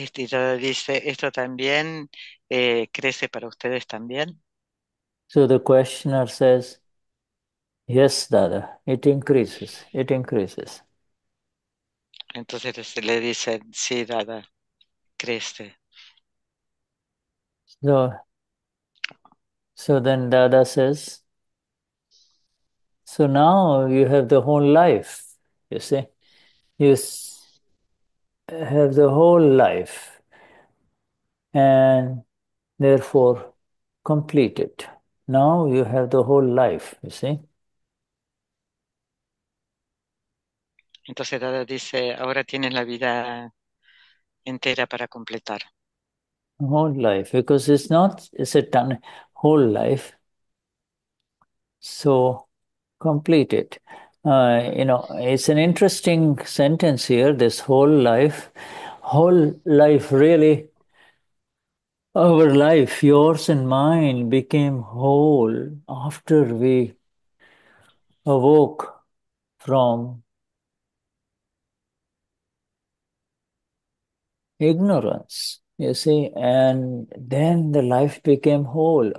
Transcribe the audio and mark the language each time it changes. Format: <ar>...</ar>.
<es>Dada dice, ¿esto también crece para ustedes también?</es> <en>So the questioner says, yes, Dada, it increases, it increases.</en> <es>Entonces le dicen, sí, Dada, crece.</es> <en>So then Dada says, so now you have the whole life, you see. You have the whole life and therefore complete it. Now you have the whole life, you see.</en> <es>Entonces Dada dice, ahora tienes la vida entera para completar.</es> <en>Whole life, because it's not, it's a ton, whole life. So complete it. You know, it's an interesting sentence here, this whole life. Whole life, really. Our life, yours and mine, became whole after we awoke from ignorance, you see, and then the life became whole.</en>